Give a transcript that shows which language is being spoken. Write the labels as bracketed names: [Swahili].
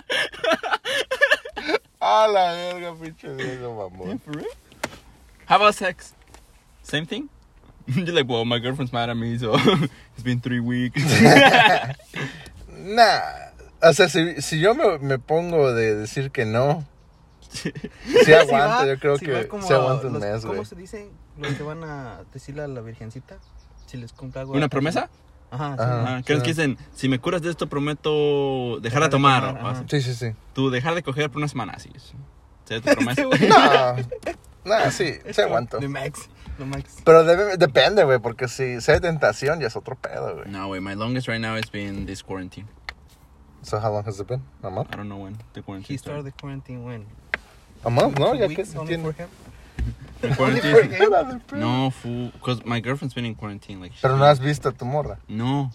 [Spanish] ¡Qué mamón! ¡A la verga, pinche Diego, mamón! [English] Yeah, for real? How about sex? Same thing? You're like, well, my girlfriend's mad at me, so it's been 3 weeks. [Spanish] Nah. O sea, si yo me pongo de decir que no, sí aguanto, yo creo que sí aguanto un mes, güey. ¿Cómo se dice lo que van a decirle a la virgencita? Si les cumple algo. ¿Una promesa? Ajá. ¿Crees que dicen, si me curas de esto, prometo dejar de tomar? Sí, sí, sí. Tú dejar de coger por una semana, así es. ¿Sería tu promesa? No. No, sí, se aguanto. [English] The max. The max. [Spanish] Pero depende, güey, porque si hay tentación, ya es otro pedo, güey. [English] No, güey, my longest right now has been this quarantine. So how long has it been? A month? I don't know when the quarantine started. He started the quarantine when? A month, no? Only for him? No, fool. Because my girlfriend's been in quarantine. Like, [Spanish] pero no has visto a tu morra. No.